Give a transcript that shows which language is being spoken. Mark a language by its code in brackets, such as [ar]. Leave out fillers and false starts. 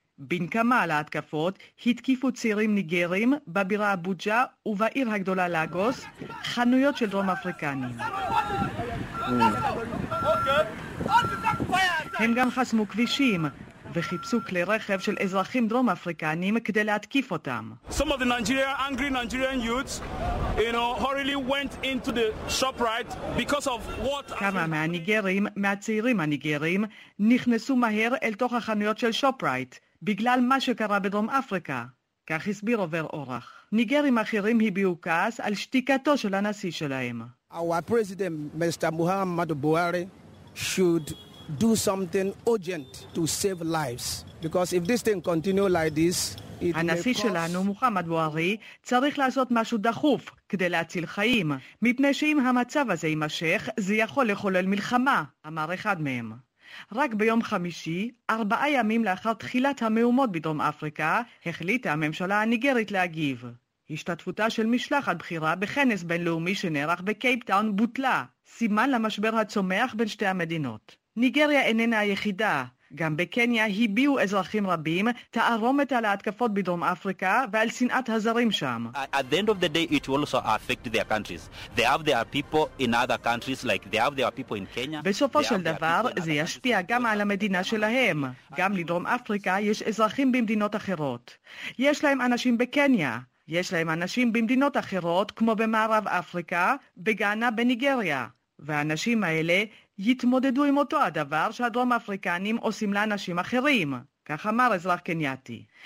[he] בנקמה על ההתקפות התקיפו צעירים ניגרים בבירה אבוג'ה ובעיר הגדולה לאגוס חנויות של דרום אפריקנים. הם גם חסמו כבישים וחיפשו כלי רכב של אזרחים דרום אפריקנים כדי להתקיף אותם. [en] Some of the Nigerian angry Nigerian youths you know hurriedly went into the shop right because of what [he] כמה מהניגרים, מהצעירים הניגרים נכנסו מהר אל תוך החנויות של שופ רייט בגלל מה שקרה בדרום אפריקה, כך הסביר עובר אורח. ניגרים אחרים הביאו כעס על שתיקתו של הנשיא שלהם. [en] Our president, Mr. Muhammad Buhari, should do something urgent to save lives. Because if this thing continue like this, [he] הנשיא שלנו, מוחמד בוארי, צריך לעשות משהו דחוף כדי להציל חיים. מפני שאם המצב הזה יימשך, זה יכול לחולל מלחמה, אמר אחד מהם. רק ביום חמישי, 4 ימים לאחר תחילת המהומות בדרום אפריקה, החליטה הממשלה הניגרית להגיב. השתתפותה של משלחת בחירה בכנס בינלאומי שנערך בקייפ טאון בוטלה, סימן למשבר הצומח בין שתי המדינות. ניגריה איננה היחידה. גם בקניה הביעו אזרחים רבים תערומת על ההתקפות בדרום אפריקה ועל שנאת הזרים שם. [en] At the end of the day it also affect their countries. They have their people in other countries like they have their people in Kenya. [he] בסופו של דבר זה ישפיע גם על המדינה שלהם. גם לדרום אפריקה יש אזרחים במדינות אחרות. יש להם אנשים בקניה. יש להם אנשים במדינות אחרות כמו במערב אפריקה, בגאנה, בניגריה. והאנשים האלה יתמודדו עם אותו הדבר שהדרום אפריקנים עושים לאנשים אחרים, כך אמר אזרח קנייתי.